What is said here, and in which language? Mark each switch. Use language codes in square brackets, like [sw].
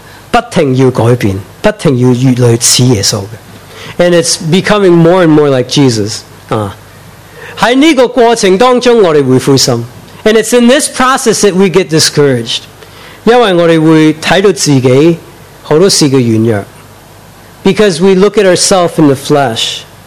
[zh] 不停要改变，不停要越来越似耶稣。 [en] And it's becoming more and more like Jesus. [zh] 在这个过程当中我们会灰心。 [en] And it's in this process that we get discouraged. [zh] 因为我们会看到自己很多事的软弱。 [en] Because we look at ourselves in the flesh.